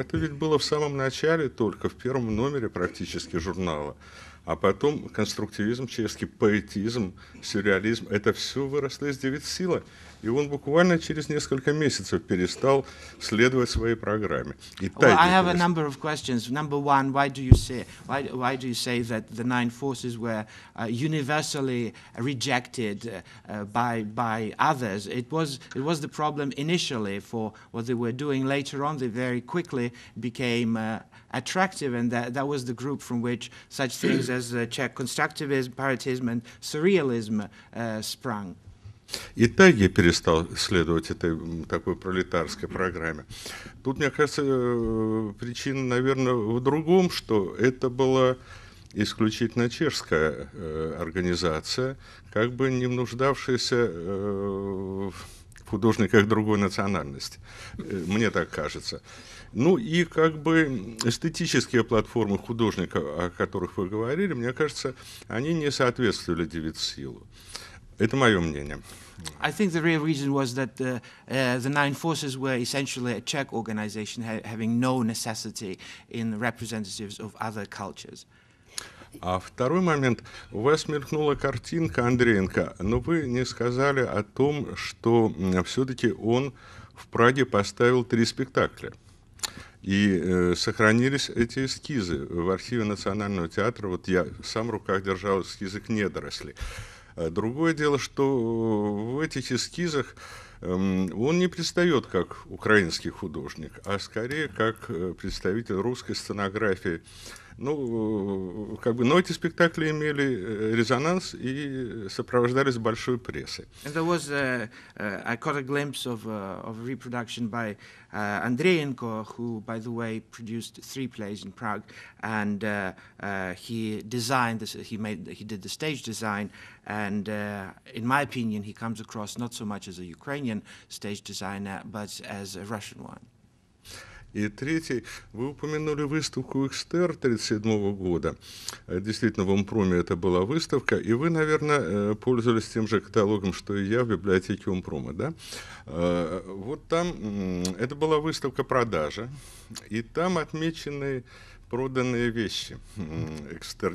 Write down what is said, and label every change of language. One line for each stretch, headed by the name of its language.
Russian: Это ведь было в самом начале, только в первом номере практически журнала. А потом конструктивизм, чешский поэтизм, сюрреализм – это все выросло из Девять силы. И он буквально через несколько месяцев перестал следовать своей программе.
English: Well, I have a number of questions. Number one, why do you say that the nine forces were universally rejected by others? It was the problem initially for what they were doing. Later on, they very quickly became attractive, and that was the group from which such things as Czech constructivism, paratism, and surrealism sprung.
Russian: И Тайге перестал следовать этой такой пролетарской программе. Тут, мне кажется, причина, наверное, в другом, что это была исключительно чешская организация, как бы не нуждавшаяся в художниках другой национальности, мне так кажется. Ну и как бы эстетические платформы художников, о которых вы говорили, мне кажется, они не соответствовали Девять силу. Это мое мнение.
English: I think the real reason was that the Nine Forces were essentially a Czech organization, having no necessity in representatives of other cultures.
Russian: А второй момент. У вас мелькнула картинка Андреенко, но вы не сказали о том, что все-таки он в Праге поставил три спектакля. И сохранились эти эскизы в архиве Национального театра. Вот я сам в руках держал эскизы к «Недоросли». Другое дело, что в этих эскизах он не предстает как украинский художник, а скорее как представитель русской сценографии. Ну, как бы, но эти спектакли имели резонанс и сопровождались большой прессой.
English: And there was I caught a glimpse of a reproduction by Andreenko, who, by the way, produced three plays in Prague, and he designed this. He did the stage design, and in my opinion, he comes across not so much as a Ukrainian stage designer, but as a Russian one.
Russian: И третий, вы упомянули выставку Экстер 37 года. Действительно, в Умпроме это была выставка, и вы, наверное, пользовались тем же каталогом, что и я в библиотеке Умпрома, да? Вот там, это была выставка продажа, и там отмечены проданные вещи Экстер.